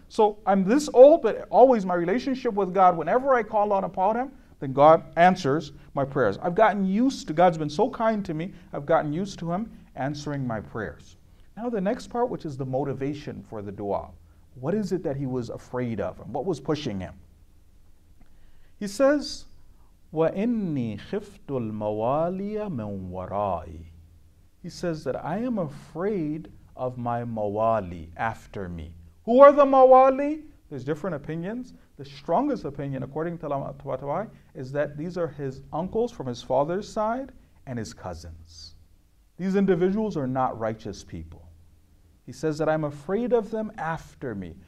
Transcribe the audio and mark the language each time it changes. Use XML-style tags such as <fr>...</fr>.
<en>So I'm this old, but always my relationship with God, whenever I call out upon Him, then God answers my prayers. I've gotten used to, God's been so kind to me, I've gotten used to Him answering my prayers. Now the next part, which is the motivation for the dua. What is it that he was afraid of? And what was pushing him? He says,</en> <ar>وَإِنِّي خِفْتُ الْمَوَالِيَ مِنْ وَرَائِي.</ar> <en>He says that I am afraid of my mawali after me. Who are the mawali? There's different opinions. The strongest opinion, according to Allama Tabatabai, is that these are his uncles from his father's side and his cousins. These individuals are not righteous people. He says that I'm afraid of them after me.</en>